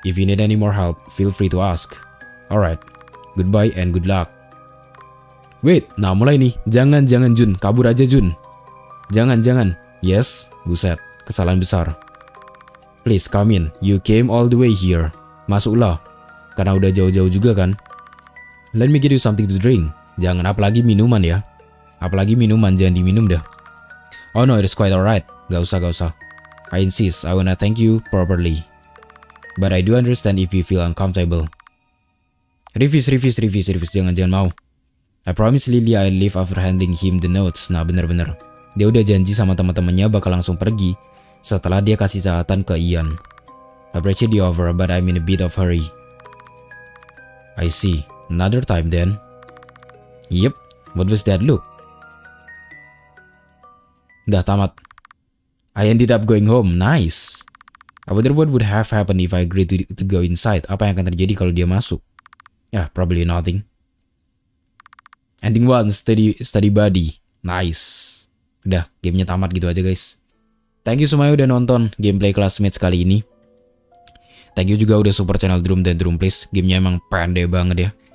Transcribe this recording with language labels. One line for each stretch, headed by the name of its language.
English: If you need any more help, feel free to ask. Alright, goodbye and good luck. Wait,
Indonesian: nah mulai nih. Jangan-jangan Jun, kabur aja Jun. Jangan-jangan. Yes, buset, kesalahan besar.
English: Please come in, you came all the way here.
Indonesian: Masuklah, karena udah jauh-jauh juga kan.
English: Let me get you something to drink.
Indonesian: Jangan, apalagi minuman ya. Apalagi minuman, jangan diminum dah.
English: Oh no, it's quite alright.
Indonesian: Gak usah.
English: I insist, I wanna thank you properly. But I do understand if you feel uncomfortable.
Indonesian: Rivis, jangan-jangan mau.
English: I promise Lily I'll leave after handing him the notes.
Indonesian: Nah, bener-bener. Dia udah janji sama teman-temannya bakal langsung pergi setelah dia kasih catatan ke Ian.
English: Appreciate the offer, but I'm in a bit of hurry. I see. Another time then. Yep. What was that look?
Indonesian: Dah tamat.
English: I ended up going home. Nice. I wonder what would have happened if I agreed to go inside.
Indonesian: Apa yang akan terjadi kalau dia masuk?
English: Yeah, probably nothing. Ending one, study buddy. Nice.
Indonesian: Udah, gamenya tamat gitu aja guys.
English: Thank you
Indonesian: semuanya udah nonton gameplay Classmates kali ini.
English: Thank you
Indonesian: juga udah support channel Drum dan Drum Please. Gamenya emang pendek banget ya.